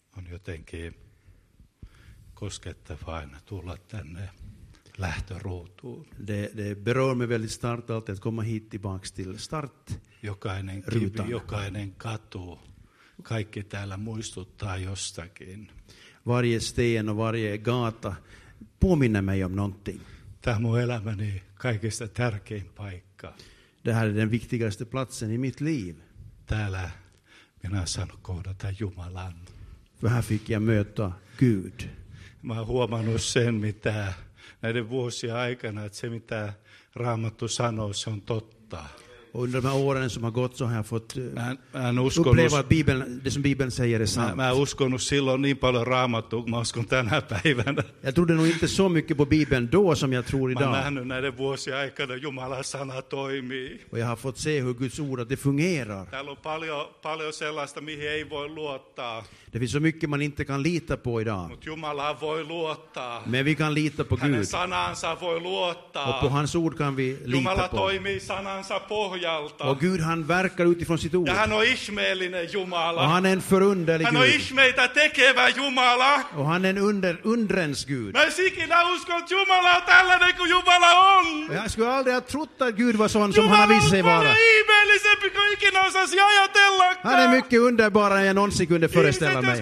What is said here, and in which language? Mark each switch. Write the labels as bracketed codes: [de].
[fi] jotenkin koskettava aina tulla tänne lähtöruutuun. [sv] Det berör mig väldigt starkt alltid att komma hit tillbaks till start. [fi] Jokainen kivi, jokainen katu, kaikki täällä muistuttaa jostakin. [sv] Varje sten och varje gata påminner mig om någonting. [fi] Tämä on mun elämäni kaikista tärkein paikka. [sv] Det här är den viktigaste platsen i mitt liv. [fi] Täällä minä saan kohdata Jumalan. [sv] Vähän fick jag möta Gud. [fi] Mä oon huomannut sen, mitä näiden vuosien aikana, että se mitä Raamattu sanoo, se on totta. [sv] Under de åren som har gått så har jag fått uppleva Bibeln, det som Bibeln säger är sant. [fi] Mä en uskonut silloin niin paljon Raamattua, kun mä uskon tänä päivänä. [sv] Jag trodde nog inte så mycket på Bibeln då som jag tror idag. [fi] Mä oon nähnyt näiden vuosien aikana Jumalan sana toimii. [sv] Och jag har fått se hur Guds ord, att det fungerar. [fi] Täällä on paljon sellaista, mihin ei voi luottaa. [sv] Det finns så mycket man inte kan lita på idag. [fi] Mut Jumalaa voi luottaa. [sv] Men vi kan lita på Gud. [fi] Hänen sanansa voi luottaa. [sv] Och på hans ord kan vi [fi] Jumala [sv] lita på. [fi] Jumala toimii sanansa pohjalta. [sv] Och Gud han verkar utifrån sitt ord. [fi] Ja hän on ihmeellinen Jumala. [sv] Och han är en förunderlig Gud. [fi] Hän on ihmeitä tekevä Jumala. [sv] Och han är en undrens Gud. [fi] Mä en sikinä usko, että Jumala on tällainen kuin Jumala on. [sv] Jag skulle aldrig ha trott att Gud var sån som han har visat sig vara. [fi] Jumala on paljon ihmeellisempi kuin ikinä osasi ajatellakaan. [sv] Hän är mycket underbara än jag någonsin kunde föreställa.